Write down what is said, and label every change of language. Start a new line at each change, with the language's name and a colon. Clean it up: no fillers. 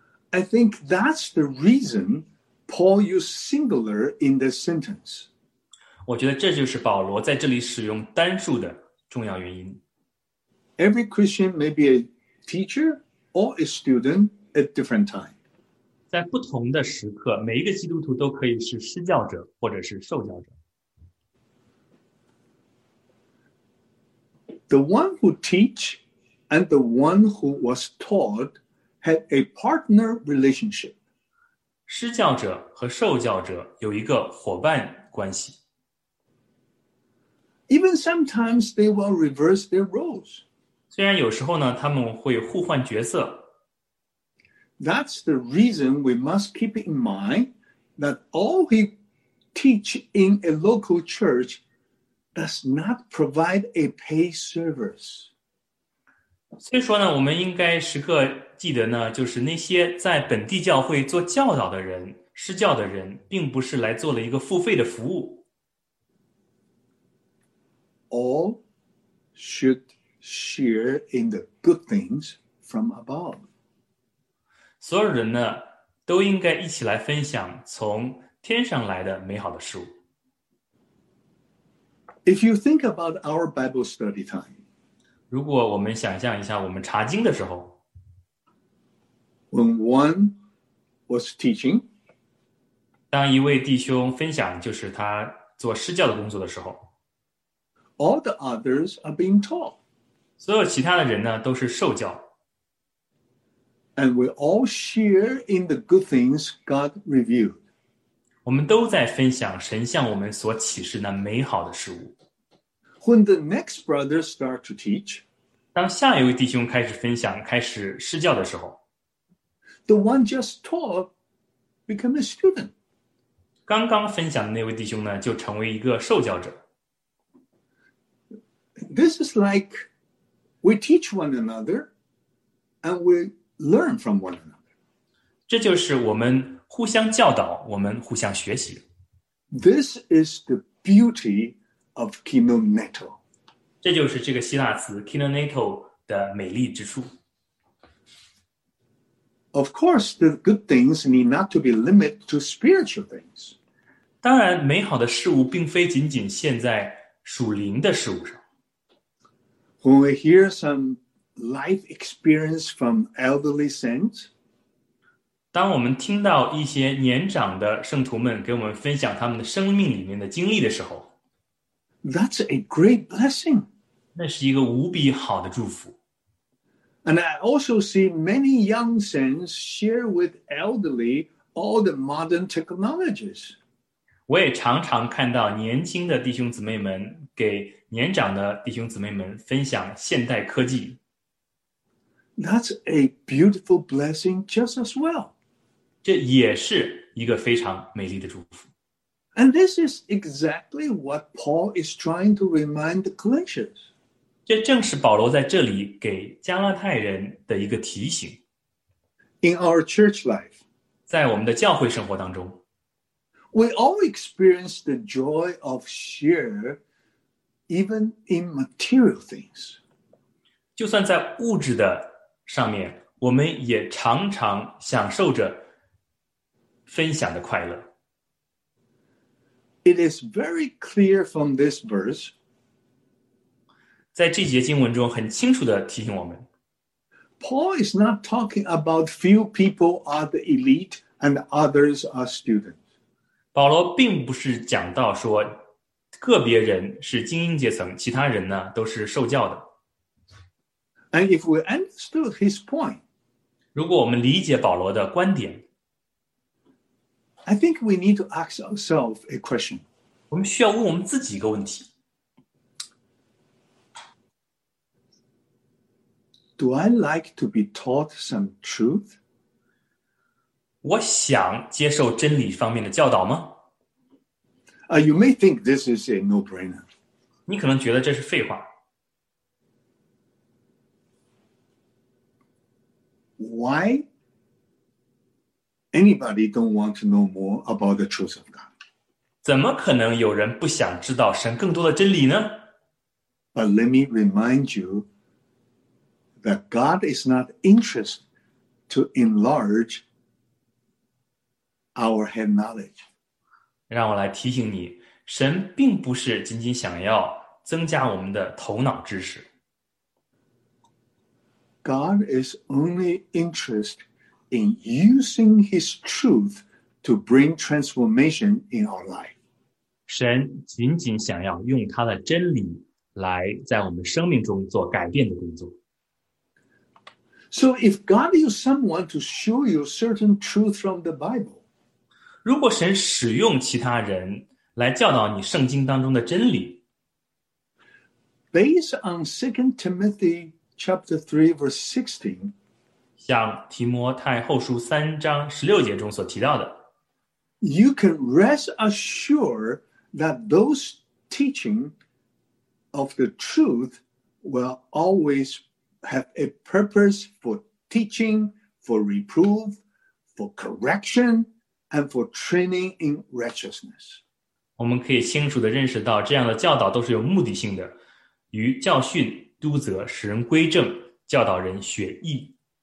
English: I think that's the reason Paul used singular in this sentence.
Chinese: 我觉得这就是保罗在这里使用单数的重要原因。
English: Every Christian may be a teacher or a student at different times.
Chinese: 在不同的时刻，每一个基督徒都可以是施教者或者是受教者。
English: The one who teach and the one who was taught had a partner relationship.
Chinese: 施教者和受教者有一个伙伴关系。
English: Even sometimes they will reverse their roles.
Chinese: 虽然有时候呢，他们会互换角色。
English: That's the reason we must keep in mind that all we teach in a local church does not provide a paid service.
Chinese: 所以说呢，我们应该时刻记得呢，就是那些在本地教会做教导的人，施教的人，并不是来做了一个付费的服务。
English: All should share in the good things from above.
Chinese: 所有人呢，都应该一起来分享从天上来的美好的事物。
English: If you think about our Bible study time,
Chinese: 如果我们想象一下我们查经的时候，
English: When one was teaching,
Chinese: 当一位弟兄分享就是他做施教的工作的时候，
English: All the others are being taught.
Chinese: 所有其他的人呢，都是受教。
English: And we all share in the good things God revealed.
Chinese: 我们都在分享神向我们所启示那美好的事物。
English: When the next brother starts to teach,
Chinese: 当下一位弟兄开始分享，开始施教的时候，
English: the one just taught became a student.
Chinese: 刚刚分享的那位弟兄呢，就成为一个受教者。
English: This is like we teach one another and we learn from one another.
Chinese: 这就是我们互相教导，我们互相学习。
English: This is the beauty of kinoneto.
Chinese: 这就是这个希腊词 kinoneto 的美丽之处。
English: Of course, the good things need not to be limited to spiritual things.
Chinese: 当然，美好的事物并非仅仅限在属灵的事物上。
English: When we hear some life experience from elderly saints,
Chinese: 当我们听到一些年长的圣徒们给我们分享他们的生命里面的经历的时候，
English: That's a great blessing.
Chinese: 那是一个无比好的祝福。
English: And I also see many young saints share with elderly all the modern technologies.
Chinese: 我也常常看到年轻的弟兄姊妹们给年长的弟兄姊妹们分享现代科技。
English: That's a beautiful blessing just as well.
Chinese: 这也是一个非常美丽的祝福。
English: And this is exactly what Paul is trying to remind the Galatians.
Chinese: 这正是保罗在这里给加拉太人的一个提醒。
English: In our church life,
Chinese: 在我们的教会生活当中，
English: we all experience the joy of share even in material things.
Chinese: 就算在物质的上面，我们也常常享受着分享的快乐。
English: It is very clear from this verse.
Chinese: 在这节经文中很清楚地提醒我们，
English: Paul is not talking about few people are the elite and others are students.
Chinese: 保罗并不是讲到说个别人是精英阶层，其他人呢都是受教的。
English: And if we understood his point,
Chinese: 如果我们理解保罗的观点,
English: I think we need to ask ourselves a question.
Chinese: 我们需要问我们自己一个问题。
English: Do I like to be taught some truth?
Chinese: 我想接受真理方面的教导吗?
English: You may think this is a no-brainer.
Chinese: 你可能觉得这是废话。
English: Why anybody don't want to know more about the truth of God?
Chinese: 怎么可能有人不想知道神更多的真理呢?
English: But let me remind you that God is not interested to enlarge our head knowledge.
Chinese: 让我来提醒你，神并不是仅仅想要增加我们的头脑知识。
English: God is only interested in using his truth to bring transformation in our life.
Chinese: 神仅仅想要用他的真理来在我们生命中做改变的工作。
English: So if God used someone to show you certain truth from the Bible,
Chinese: 如果神使用其他人来教导你圣经当中的真理，
English: based on 2 Timothy Chapter 3, verse 16.
Chinese: 像提摩太后书三章十六节中所提到的
English: You can rest assured that those teaching of the truth will always have a purpose for teaching, for reproof, for correction, and for training in righteousness.
Chinese: 我们可以清楚地认识到这样的教导都是有目的性的，与教训督责使人归正，教导人学义。